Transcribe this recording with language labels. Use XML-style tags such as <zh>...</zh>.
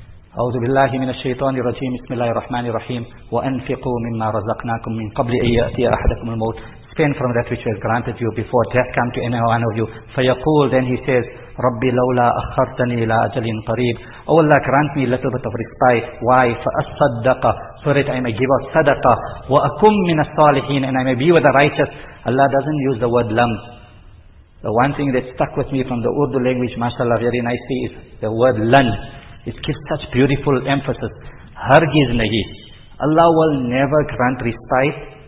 <ar>أعوذ بالله من الشيطان الرجيم. بسم الله الرحمن الرحيم. وأنفقوا مما رزقناكم من قبل أن يأتي أحدكم الموت.</ar> <en>Spend from that which was granted you before death come to any one of you.</en> <ar>فيقول,</ar> <en>then he says,</en> <ar>ربي لولا أخرتني إلى أجل قريب.</ar> <en>Oh Allah, grant me a little bit of respite. Why? فأصدق, so that I may give out صدقة.</en> <ar>وأكم من الصالحين,</ar> <en>and I may be with the righteous. Allah doesn't use the word lam. The one thing that stuck with me from the Urdu language, mashallah, very nicely, is the word lan. It gives such beautiful emphasis.</en> <ur>Hargiz nahi.</ur> <en>Allah will never grant respite.</en>